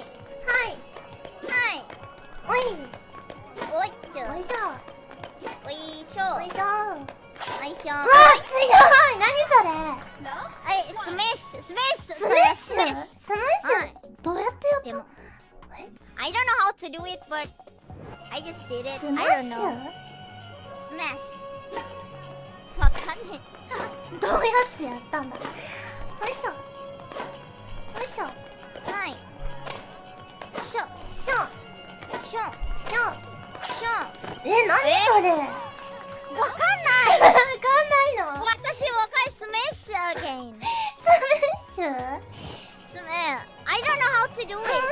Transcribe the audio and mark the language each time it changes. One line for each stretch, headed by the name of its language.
Japanese: はい。はい。おい。おいちょ。おいしょ。おいしょ。おいしょ。おいしょ。わー、強い。なにそれ。はい、スメッシュ。スメッシュ。スメッシュ。スメッシュ。はい。どうやってやった？でも。
English: I don't know how to do it, but I just did it. Smash? I don't know. Smash.
Japanese: わかんねえ。どうやってやったんだ。よいしょ。よいしょ。はい。しょ。しょ。しょ。しょ。しょ。え、なにそれ。わかんない。わかんないの。私、若いスメッシュ again。スメッシュ？
English: スメッシュ。I don't know how to do it.